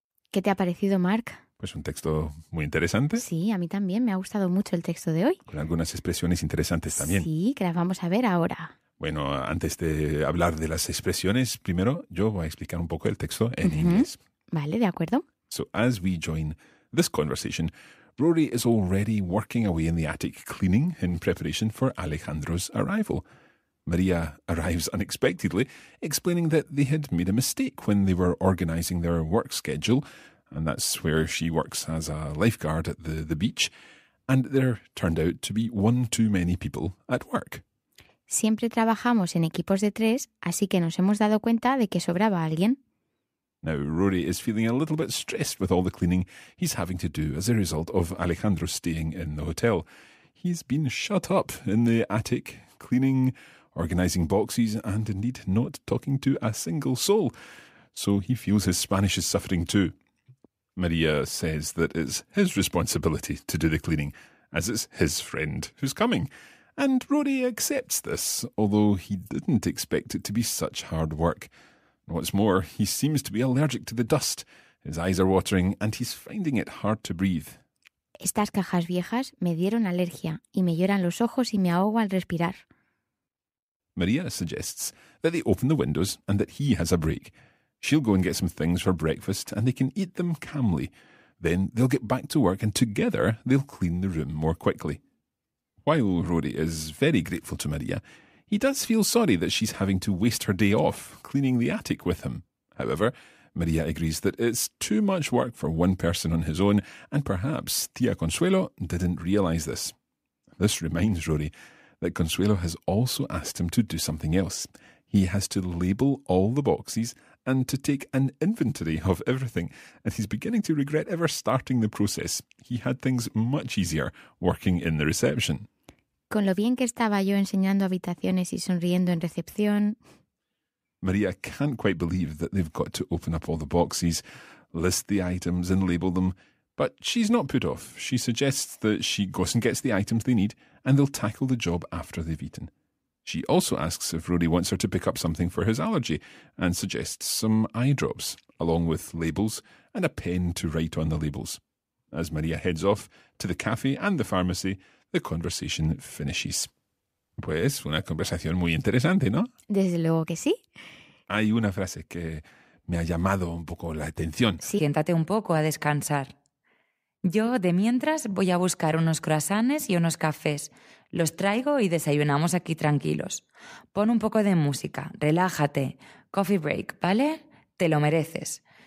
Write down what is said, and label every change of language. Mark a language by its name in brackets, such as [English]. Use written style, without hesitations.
[Spanish] ¿Qué te ha parecido, Mark? Pues un texto muy interesante. Sí, a mí también. Me ha gustado mucho el texto de hoy. Con algunas expresiones interesantes también. Sí, que las vamos a ver ahora. Bueno, antes de hablar de las expresiones, primero yo voy a explicar un poco el texto en inglés. Vale, de acuerdo. [English] So as we join this conversation, Rory is already working away in the attic cleaning in preparation for Alejandro's arrival. Maria arrives unexpectedly, explaining that they had made a mistake when they were organizing their work schedule, and that's where she works as a lifeguard at the beach, and there turned out to be one too many people at work. [Spanish] Siempre trabajamos en equipos de tres, así que nos hemos dado cuenta de que sobraba alguien. [English] Now, Rory is feeling a little bit stressed with all the cleaning he's having to do as a result of Alejandro staying in the hotel. He's been shut up in the attic, cleaning, organizing boxes, and indeed not talking to a single soul. So he feels his Spanish is suffering too. Maria says that it's his responsibility to do the cleaning, as it's his friend who's coming. And Rory accepts this, although he didn't expect it to be such hard work. What's more, he seems to be allergic to the dust. His eyes are watering and he's finding it hard to breathe. [Spanish] Estas cajas viejas me dieron alergia y me lloran los ojos y me ahogo al respirar. [English] Maria suggests that they open the windows and that he has a break. She'll go and get some things for breakfast and they can eat them calmly. Then they'll get back to work and together they'll clean the room more quickly. While Rory is very grateful to Maria, he does feel sorry that she's having to waste her day off cleaning the attic with him. However, Maria agrees that it's too much work for one person on his own, and perhaps Tia Consuelo didn't realise this. This reminds Rory that Consuelo has also asked him to do something else. He has to label all the boxes and to take an inventory of everything, and he's beginning to regret ever starting the process. He had things much easier working in the reception. [Spanish] Con lo bien que estaba yo enseñando habitaciones y sonriendo en recepción. [English] Maria can't quite believe that they've got to open up all the boxes, list the items and label them, but she's not put off. She suggests that she goes and gets the items they need and they'll tackle the job after they've eaten. She also asks if Rory wants her to pick up something for his allergy and suggests some eye drops, along with labels and a pen to write on the labels. As Maria heads off to the cafe and the pharmacy, the conversation finishes. [Spanish] Pues, una conversación muy interesante, ¿no? Desde luego que sí. Hay una frase que me ha llamado un poco la atención. Sí. Siéntate un poco a descansar. Yo, de mientras, voy a buscar unos croissants y unos cafés. Los traigo y desayunamos aquí tranquilos. Pon un poco de música, relájate, [English] coffee break, [Spanish] ¿vale? Te lo mereces.